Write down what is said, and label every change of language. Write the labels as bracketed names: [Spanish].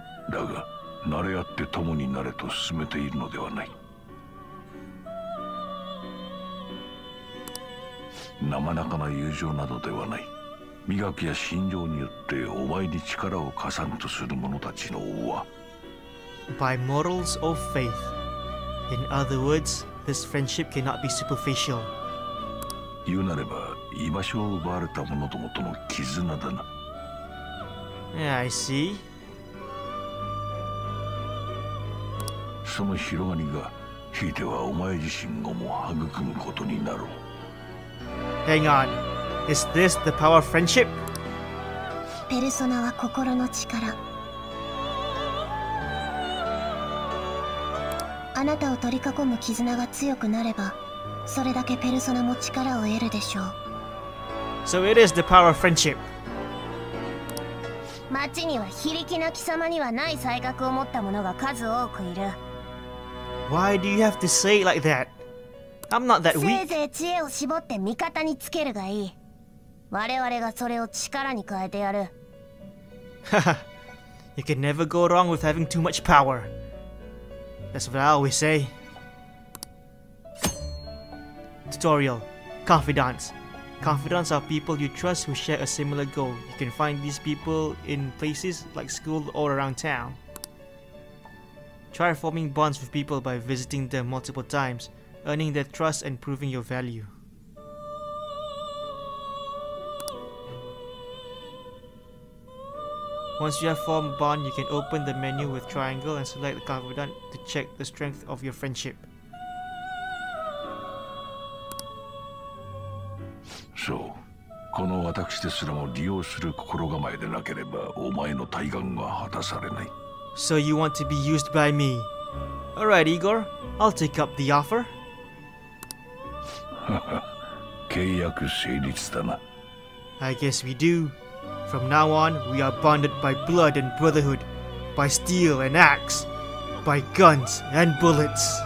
[Japanese] だが、慣れ合って共になれと進めているのではない。生々しい友情などではない。磨きや信条によってお前に力を加算とする者たちの王は。 [English] By morals or faith. In other words, this friendship cannot be superficial. [Japanese] 言うなれば、居場所を奪われた者どもとの絆だな。 [English] I see. [Japanese] その広がりが、ひいてはお前自身をも育むことになろう。 [English] Hang on. Is this the power of friendship? [Japanese] ペルソナは心の力。あなたを取り囲む絆が強くなれば、それだけペルソナも力を得るでしょう。 [English] So it is the power of friendship. [Japanese] 町には非力な貴様にはない才覚を持った者が数多くいる。 [English] Why do you have to say it like that? I'm not that weak. [Japanese] せいぜい知恵を絞って味方につけるがいい。我々がそれを力に変えてやる。 [English] Haha, you can never go wrong with having too much power. That's what I always say. Tutorial. Confidants. Confidants are people you trust who share a similar goal. You can find these people in places like school or around town. Try forming bonds with people by visiting them multiple times, earning their trust and proving your value. Once you have formed a bond, you can open the menu with triangle and select the confidant to check the strength of your friendship. [Japanese] So, この私ですらも利用する心構えでなければお前の対岸は果たされない。 [English] So you want to be used by me. Alright, Igor. I'll take up the offer. [Japanese] 契約成立だな。 [English] I guess we do. From now on, we are bonded by blood and brotherhood, by steel and axe, by guns and bullets.